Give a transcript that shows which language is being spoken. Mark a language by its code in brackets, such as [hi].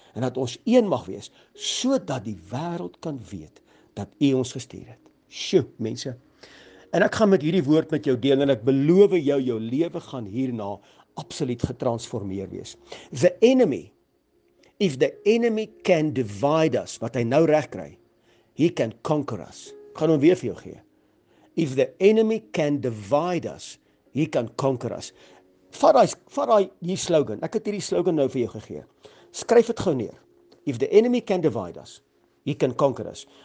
[af] En dat ons een mag wees, sodat die wêreld kan weet dat u ons gestuur het. Sjoe, mense. En ek gaan met hierdie woord met jou deel en ek beloof jou, jou lewe gaan hierna absoluut getransformeer wees. [en] The enemy, if the enemy can divide us, wat hy nou reg kry, he can conquer us. [af] Ek gaan hom weer vir jou gee. [en] If the enemy can divide us, he can conquer us. [af] Vat die slogan, ek het hierdie slogan nou vir jou gegee. Skryf het gauw neer. [en] If the enemy can divide us, he can conquer us.